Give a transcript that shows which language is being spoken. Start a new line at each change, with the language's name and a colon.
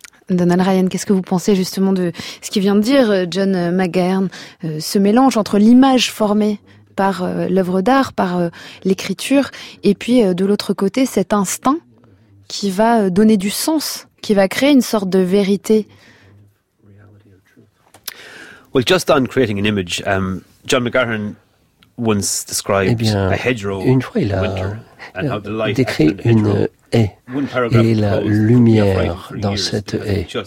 French: Donald Ryan, qu'est-ce que vous pensez justement de ce qu'il vient de dire John McGahern, ce mélange entre l'image formée par l'œuvre d'art, par l'écriture, et puis de l'autre côté, cet instinct qui va donner du sens, qui va créer une sorte de vérité.
English: Well, just on creating an image, John McGahern once described a hedgerow.
French: Une fois, il a décrit une haie et la lumière dans cette haie.